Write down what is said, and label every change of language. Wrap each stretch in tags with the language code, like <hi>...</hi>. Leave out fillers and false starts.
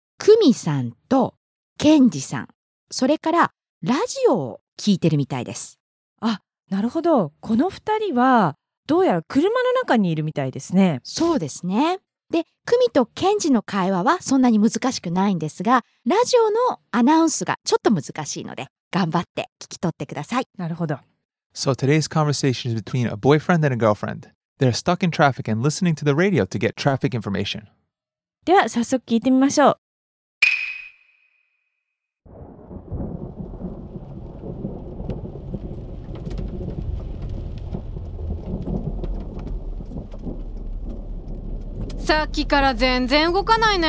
<ja>クミさんとケンジさん、それからラジオを聞いてるみたいです。あ、なるほど。この2人はどうやら車の中にいるみたいですね。そうですね。で、クミとケンジの会話はそんなに難しくないんですが、ラジオのアナウンスがちょっと難しいので頑張って聞き取ってください。なるほど。</ja> <en>So today's conversation is between a boyfriend and a girlfriend. They're stuck in traffic and listening to the radio to get traffic information.</en> <ja>では早速聞いてみましょう。さっきから全然動かないね。</ja>